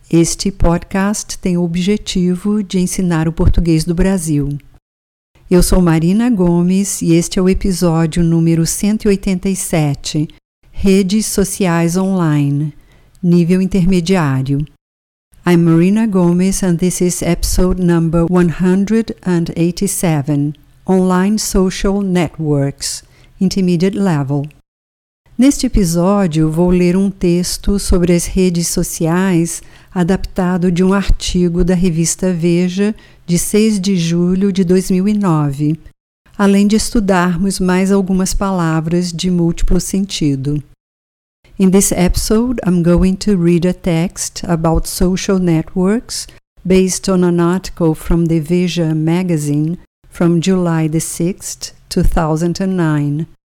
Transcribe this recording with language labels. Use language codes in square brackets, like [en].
[pt] Este podcast tem o objetivo de ensinar o português do Brasil. Eu sou Marina Gomes e este é o episódio número 187, Redes Sociais Online, Nível Intermediário. [en] I'm Marina Gomes and this is episode number 187, Online Social Networks, Intermediate Level. [pt] Neste episódio, vou ler um texto sobre as redes sociais adaptado de um artigo da revista Veja, de 6 de julho de 2009, além de estudarmos mais algumas palavras de múltiplo sentido. [en] In this episode, I'm going to read a text about social networks based on an article from the Veja magazine from July 6, 2009.